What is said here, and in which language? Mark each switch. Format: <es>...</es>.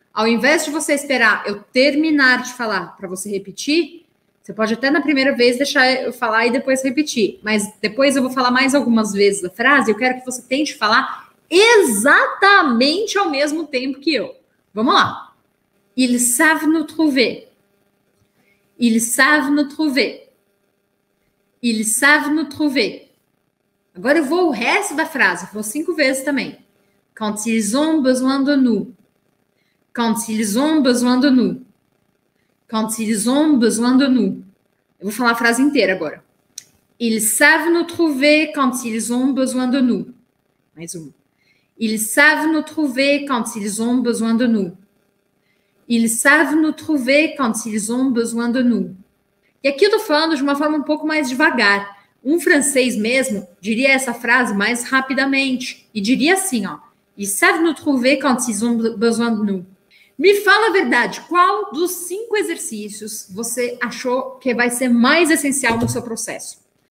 <pt>Ao invés de você esperar eu terminar de falar para você repetir, você pode até na primeira vez deixar eu falar e depois repetir. Mas depois eu vou falar mais algumas vezes a frase. Eu quero que você tente falar exatamente ao mesmo tempo que eu. Vamos lá.</pt> <fr>Ils savent nous trouver. Ils savent nous trouver. Ils savent nous trouver.</fr> <pt>Agora eu vou o resto da frase. Vou 5 vezes também.</pt> <fr>Quand ils ont besoin de nous. Quand ils ont besoin de nous. Quand ils ont besoin de nous.</fr> <pt>Eu vou falar a frase inteira agora.</pt> <fr>Ils savent nous trouver quand ils ont besoin de nous.</fr> <pt>Mais um.</pt> <fr>Ils savent nous trouver quand ils ont besoin de nous. Ils savent nous trouver quand ils ont besoin de nous.</fr> <pt>E aqui eu tô falando de uma forma um pouco mais devagar. Um francês mesmo diria essa frase mais rapidamente. E diria assim, ó.</pt> <fr>Ils savent nous trouver quand ils ont besoin de nous.</fr> <pt>Me fala a verdade. Qual dos 5 exercícios você achou que vai ser mais essencial no seu processo?</pt>